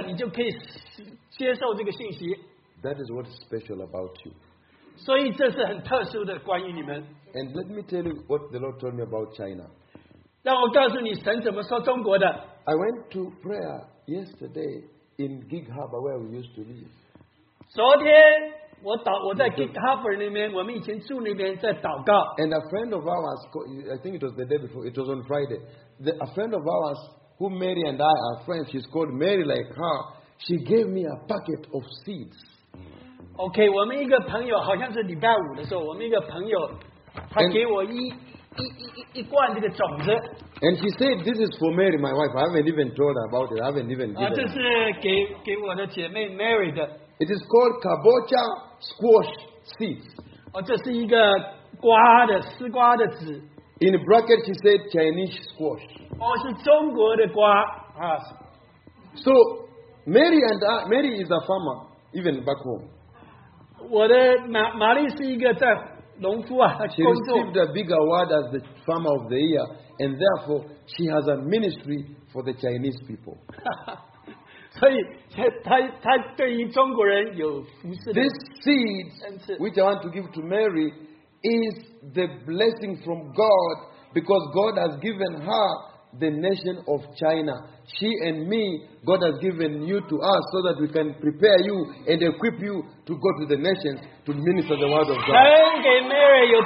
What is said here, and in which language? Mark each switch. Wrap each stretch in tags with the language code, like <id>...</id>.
<zh>所以这里我们翻译了，你就可以接受这个信息。</zh> <en>That is what is special about you.</en> <zh>所以这是很特殊的关于你们。</zh> <en>And let me tell you what the Lord told me about China.</en> <zh>让我告诉你神怎么说中国的。</zh> <en>I went to prayer yesterday in Gig Harbor where we used to live.</en> <zh>昨天 我在 Gig Harbor 那边，我们以前住那边，在祷告。</zh> <en>And a friend of ours, I think it was the day before, it was on Friday. A friend of ours, who Mary and I are friends, she's called Mary like her, she gave me a packet of seeds.</en> <zh>Okay, 我们一个朋友，好像是礼拜五的时候，我们一个朋友，他给我一罐这个种子。</zh> <en>And she said, this is for Mary, my wife. I haven't even told her about it. I haven't even given it.</en> <zh>这是给我的姐妹 Mary 的。</zh> <en>It is called kabocha squash seeds.</en> <zh>哦，这是一个瓜的丝瓜的籽。</zh> <en>In bracket, he said Chinese squash.</en> <zh>哦，是中国的瓜。</zh> <en>So Mary is a farmer even back home.</en> <zh>我的玛丽是一个在农夫啊。</zh> <en>She received a big award as the farmer of the year, and therefore she has a ministry for the Chinese people.</en> <zh>所以他对于中国人有服侍的。</zh> <en>This seed which I want to give to Mary is the blessing from God, because God has given her the nation of China. She and me, God has given you to us so that we can prepare you and equip you to go to the nations to minister the word of God.</en>